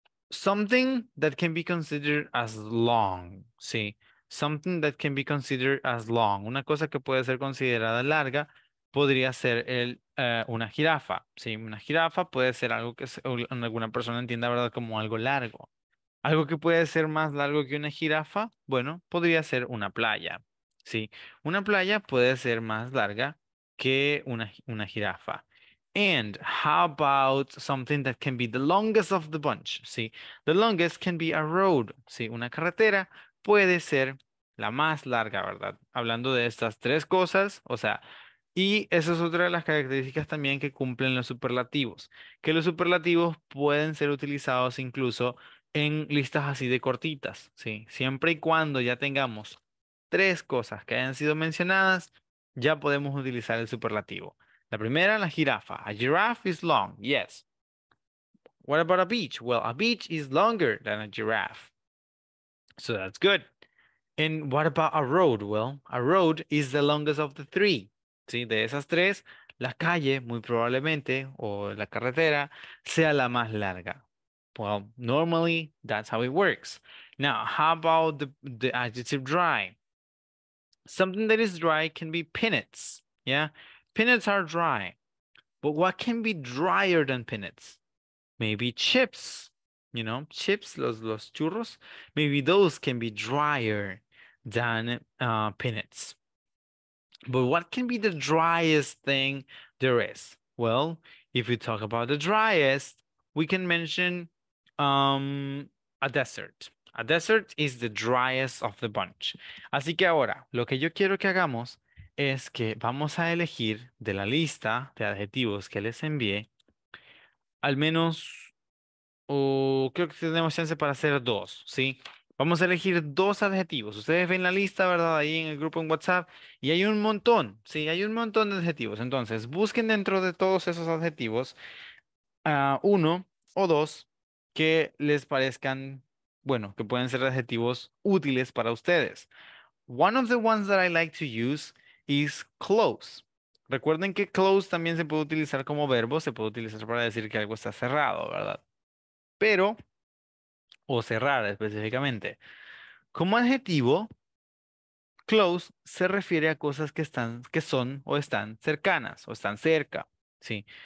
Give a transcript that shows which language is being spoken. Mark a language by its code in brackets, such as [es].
[en] Something that can be considered as long, [es] ¿sí? [en] Something that can be considered as long. [es] Una cosa que puede ser considerada larga podría ser una jirafa. ¿Sí? Una jirafa puede ser algo que alguna persona entienda, ¿verdad?, como algo largo. Algo que puede ser más largo que una jirafa, bueno, podría ser una playa. ¿Sí? Una playa puede ser más larga que una jirafa. [en] And how about something that can be the longest of the bunch? [es] ¿Sí? [en] The longest can be a road. ¿Sí? [es] Una carretera puede ser la más larga, ¿verdad? Hablando de estas tres cosas, o sea, y esa es otra de las características también que cumplen los superlativos, que los superlativos pueden ser utilizados incluso en listas así de cortitas, ¿sí? Siempre y cuando ya tengamos tres cosas que hayan sido mencionadas, ya podemos utilizar el superlativo. La primera, la jirafa. [en] A giraffe is long, yes. What about a beach? Well, a beach is longer than a giraffe. So that's good. And what about a road? Well, a road is the longest of the three. [es] ¿Sí? De esas tres, la calle, muy probablemente, o la carretera, sea la más larga. [en] Well, normally, that's how it works. Now, how about the adjective dry? Something that is dry can be peanuts. Yeah, peanuts are dry. But what can be drier than peanuts? Maybe chips, you know, chips, [es] los churros. [en] Maybe those can be drier than peanuts. But what can be the driest thing there is? Well, if we talk about the driest, we can mention a desert. A desert is the driest of the bunch. [es] Así que ahora, lo que yo quiero que hagamos es que vamos a elegir de la lista de adjetivos que les envié, al menos, creo que tenemos chance para hacer dos, ¿sí? Vamos a elegir dos adjetivos. Ustedes ven la lista, ¿verdad? Ahí en el grupo en WhatsApp. Y hay un montón, ¿sí? Hay un montón de adjetivos. Entonces, busquen dentro de todos esos adjetivos uno o dos que les parezcan, bueno, que pueden ser adjetivos útiles para ustedes. [en] One of the ones that I like to use is close. [es] Recuerden que close también se puede utilizar como verbo, se puede utilizar para decir que algo está cerrado, ¿verdad? Pero, o cerrar específicamente. Como adjetivo, close se refiere a cosas que están cercanas o están cerca, ¿sí?